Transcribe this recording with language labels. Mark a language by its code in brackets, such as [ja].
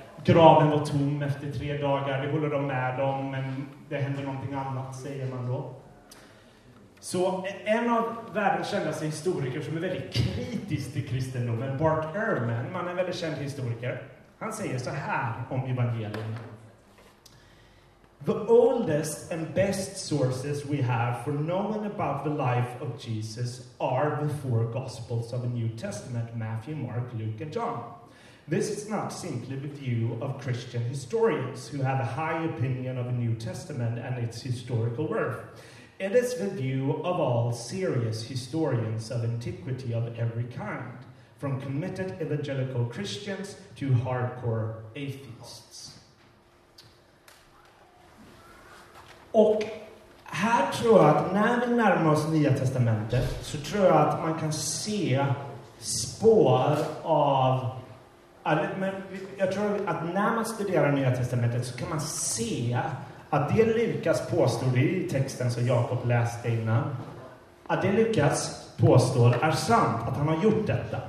[sv] Graven var tom efter 3 dagar. Det håller de med om. Men det händer någonting annat, säger man då. Så en av världens kändaste historiker som är väldigt kritisk till kristendomen, Bart Ehrman, man är en väldigt känd historiker, han säger så här om evangelien. [en] The oldest and best sources we have for knowing about the life of Jesus are the 4 Gospels of the New Testament, Matthew, Mark, Luke and John. This is not simply the view of Christian historians who have a high opinion of the New Testament and its historical worth. It is the view of all serious historians of antiquity of every kind, from committed evangelical Christians to hardcore atheists. [sv] Och här tror jag att när vi närmar oss Nya Testamentet så tror jag att man kan se spår av, men jag tror att när man studerar Nya Testamentet så kan man se att det Lukas påstår i texten som Jakob läste innan, att det Lukas påstår är sant, att han har gjort detta.